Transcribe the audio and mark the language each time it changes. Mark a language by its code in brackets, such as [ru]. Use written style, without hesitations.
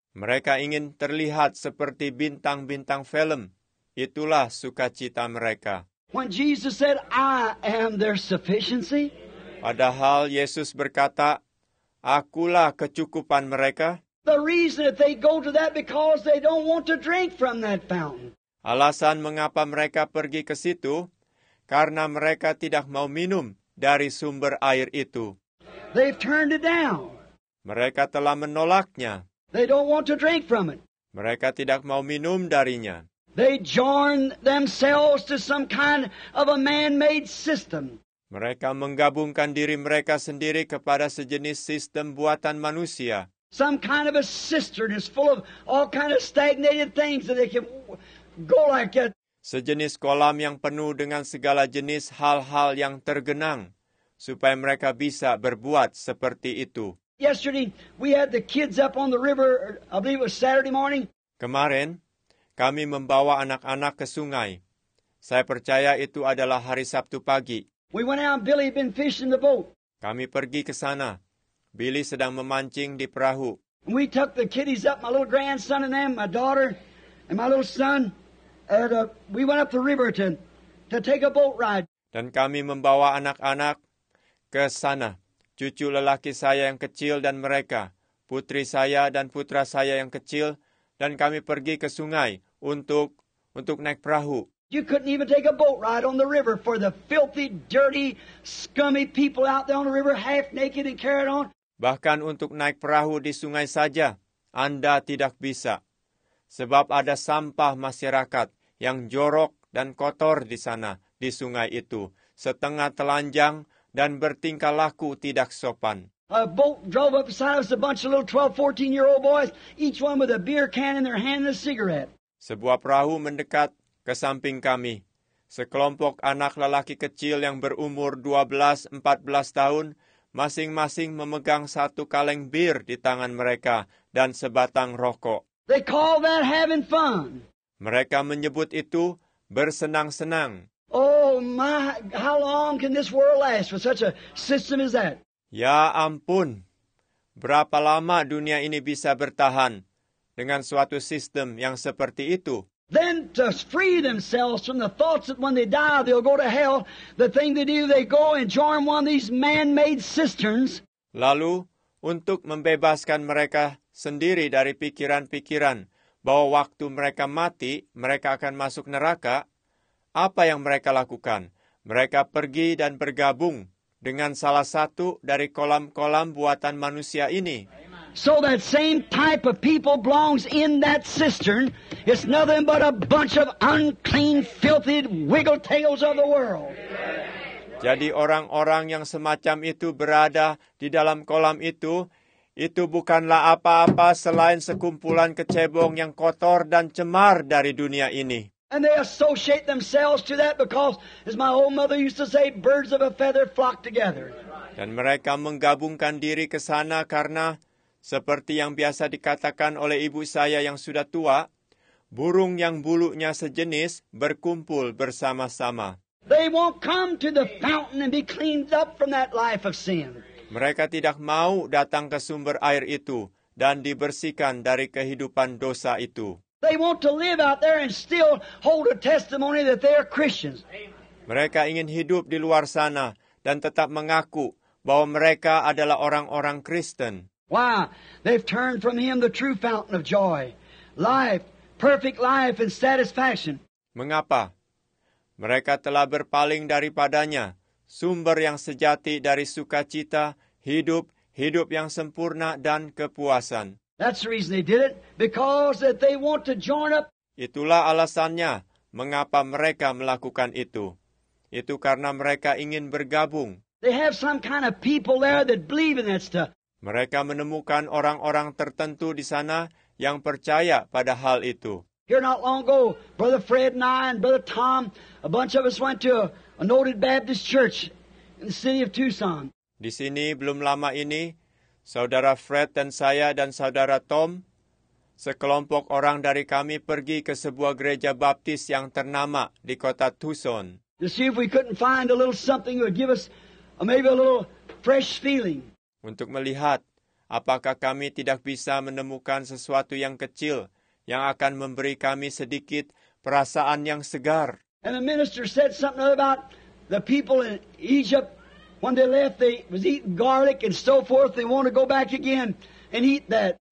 [id] Mereka ingin terlihat seperti bintang-bintang film. Itulah sukacita mereka. [en] When Jesus said, "I am their sufficiency." [id] Padahal Yesus berkata, "Akulah kecukupan mereka." [en] The reason that they go to that because they don't want to drink from that fountain. [id] Alasan mengapa mereka pergi ke situ karena mereka tidak mau minum dari sumber air itu. [en] They've turned it down. [id] Mereka telah menolaknya. [en] They don't want to drink from it. [id] Mereka tidak mau minum darinya. [en] They join themselves to some kind of a man-made system. [id] Mereka menggabungkan diri mereka sendiri kepada sejenis sistem buatan manusia. [en] Some kind of a cistern is full of all kind of stagnated things that they can go like that. [id] Sejenis kolam yang penuh dengan segala jenis hal-hal yang tergenang, supaya mereka bisa berbuat seperti itu. [en] Yesterday we had the kids up on the river. I believe it was Saturday morning. [id] Kemarin kami membawa anak-anak ke sungai. Saya percaya itu adalah hari Sabtu pagi. [en] We went out. Billy had been fishing the boat. [id] Kami pergi ke sana. Billy sedang memancing di perahu. [en] We took the kiddies up, my little grandson and them, my daughter and my little son, and we went up the river to take a boat ride. [id] Dan kami membawa anak-anak ke sana. Cucu lelaki saya yang kecil dan mereka, putri saya dan putra saya yang kecil, dan kami pergi ke sungai untuk naik perahu. [en] You couldn't even take a boat ride on the river for the filthy, dirty, scummy people out there on the river, half naked and carried on. [id] Bahkan untuk naik perahu di sungai saja, Anda tidak bisa. Sebab ada sampah masyarakat yang jorok dan kotor di sana, di sungai itu. Setengah telanjang dan bertingkah laku tidak sopan. [en] A boat drove up beside us, a bunch of little 12, 14-year-old boys, each one with a beer can in their hand and a cigarette. [id] Sebuah perahu mendekat ke samping kami. Sekelompok anak lelaki kecil yang berumur 12-14 tahun, masing-masing memegang satu kaleng bir di tangan mereka dan sebatang rokok. [en] They call that having fun. [id] Mereka menyebut itu bersenang-senang. [en] Oh my, how long can this world last with such a system as that? [id] Ya ampun, berapa lama dunia ini bisa bertahan dengan suatu sistem yang seperti itu? [en] Then to free themselves from the thoughts that when they die they'll go to hell, the thing they do, they go and join one of these man-made cisterns. [id] Lalu, untuk membebaskan mereka sendiri dari pikiran-pikiran bahwa waktu mereka mati, mereka akan masuk neraka, apa yang mereka lakukan? Mereka pergi dan bergabung dengan salah satu dari kolam-kolam buatan manusia ini. [en] So that same type of people belongs in that cistern. It's nothing but a bunch of unclean, filthy wiggle tails of the world. [id] Jadi orang-orang yang semacam itu berada di dalam kolam itu bukanlah apa-apa selain sekumpulan kecebong yang kotor dan cemar dari dunia ini. [en] And they associate themselves to that because, as my old mother used to say, birds of a feather flock together. [id] Dan mereka menggabungkan diri ke sana karena, seperti yang biasa dikatakan oleh ibu saya yang sudah tua, burung yang bulunya sejenis berkumpul bersama-sama. [en] They won't come to the fountain and be cleaned up from that life of sin. [id] Mereka tidak mau datang ke sumber air itu dan dibersihkan dari kehidupan dosa itu. [en] They want to live out there and still hold a testimony that they are Christians. [id] Mereka ingin hidup di luar sana dan tetap mengaku bahwa mereka adalah orang-orang Kristen. [en] Why? They've turned from him the true fountain of joy, life, perfect life and satisfaction. [id] Mengapa? Mereka telah berpaling daripadanya, sumber yang sejati dari sukacita, hidup, hidup yang sempurna dan kepuasan. [en] That's the reason they did it, because that they want to join up. [id] Itulah alasannya mengapa mereka melakukan itu. Itu karena mereka ingin bergabung. [en] They have some kind of people there that believe in that stuff. [id] Mereka menemukan orang-orang tertentu di sana yang percaya pada hal itu. [en] Here not long ago, Brother Fred and I and Brother Tom, a bunch of us went to a noted Baptist church in the city of Tucson. [id] Di sini belum lama ini, Saudara Fred dan saya dan Saudara Tom, sekelompok orang dari kami pergi ke sebuah gereja Baptis yang ternama di kota Tucson. [en] To see if we couldn't find a little something that would give us maybe a little fresh feeling. [id] Untuk melihat apakah kami tidak bisa menemukan sesuatu yang kecil yang akan memberi kami sedikit perasaan yang segar. [en] And the minister said something about the people in Egypt. When they left, they was eating garlic and so forth. They want to go back again and eat that.